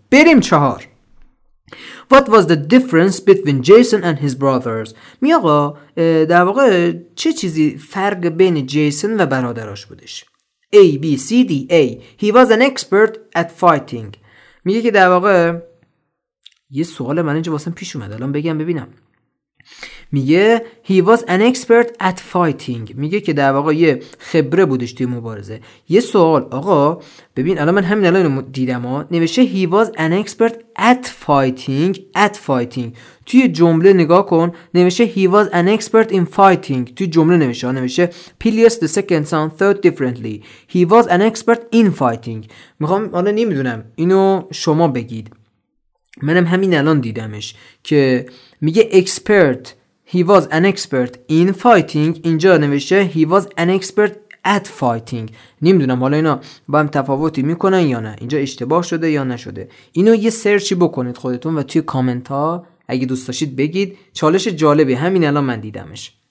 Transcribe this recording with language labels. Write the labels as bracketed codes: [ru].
[fa] بریم 4 [en] What was the difference between Jason and his brothers؟ [fa] می آقا در واقع چه چیزی فرق بین جیسون و برادراش بودش؟ A B C D A [en] He was an expert at fighting، [fa] میگه که در واقع یه سوال من اینجا واسم پیش اومد، الان بگم ببینم. میگه [en] He was an expert at fighting، [fa] میگه که در واقع یه خبره بودش توی مبارزه. یه سوال آقا ببین، الان من همین الان دیدم ها، نوشته [en] He was an expert at fighting. At fighting [fa] توی جمله نگاه کن، نوشته [en] He was an expert in fighting [fa] توی جمله نوشته، نوشته [en] Pelias the second son thought differently، He was an expert in fighting. [fa] میخوام الان نمیدونم اینو شما بگید، منم همین الان دیدمش که میگه expert، [en] he was an expert in fighting، [fa] اینجا نوشته [en] he was an expert at fighting. [fa] نمیدونم حالا اینا با هم تفاوتی میکنن یا نه، اینجا اشتباه شده یا نشده، اینو یه سرچی بکنید خودتون و توی کامنت ها اگه دوست داشتید بگید، چالش جالبی، همین الان من دیدمش.